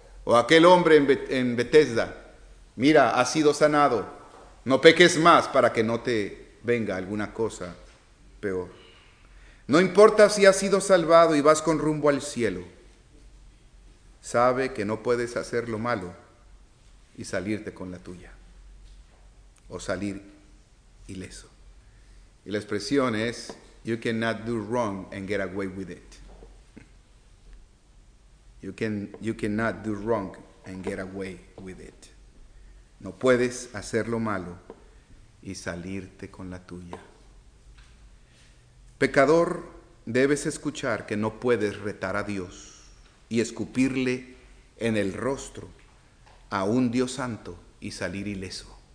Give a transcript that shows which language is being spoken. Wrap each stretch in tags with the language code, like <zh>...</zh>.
<es>O aquel hombre en Betesda, mira, has sido sanado, no peques más para que no te venga alguna cosa peor. No importa si has sido salvado y vas con rumbo al cielo, sabe que no puedes hacer lo malo y salirte con la tuya, o salir ileso. Y la expresión es,</es> <en>you cannot do wrong and get away with it. You cannot do wrong and get away with it.</en> <es>No puedes hacer lo malo y salirte con la tuya. Pecador, debes escuchar que no puedes retar a Dios y escupirle en el rostro a un Dios santo y salir ileso.</es>